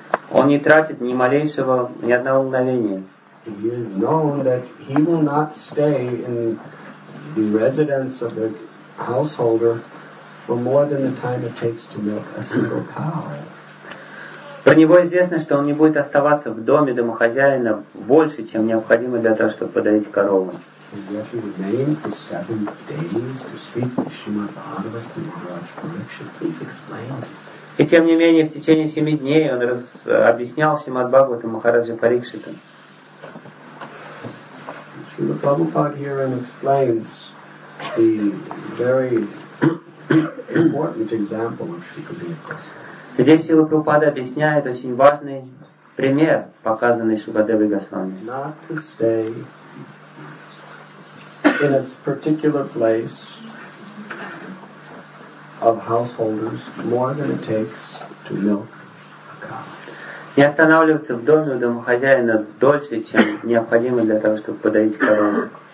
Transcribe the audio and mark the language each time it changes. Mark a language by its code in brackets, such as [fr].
[ru] Он не тратит ни малейшего, ни одного мгновения. [en] He is known that he will not stay in the residence of the householder for more than the time it takes to milk a single cow. [ru] Про него известно, что он не будет оставаться в доме домохозяина больше, чем необходимо для того, чтобы подоить корову. [en] And yet he remained for 7 days to speak to Shrimad Bhagavatam Maharaj Pariksit. Please explain this. [ru] И тем не менее, в течение 7 дней он объяснял Шримад Бхагаватам Махараджа Парикшита. [en] Шрила Прабхупада here and explains the very important example of Shri Kabir Goswami. [ru] Здесь Шрила Прабхупада объясняет очень важный пример, показанный Шукадевой Госвами. [en] Not to stay in a particular place of householders more than it takes to milk a cow. [ru] Не останавливаться в доме у домохозяина дольше, чем необходимо для того, чтобы подоить корову.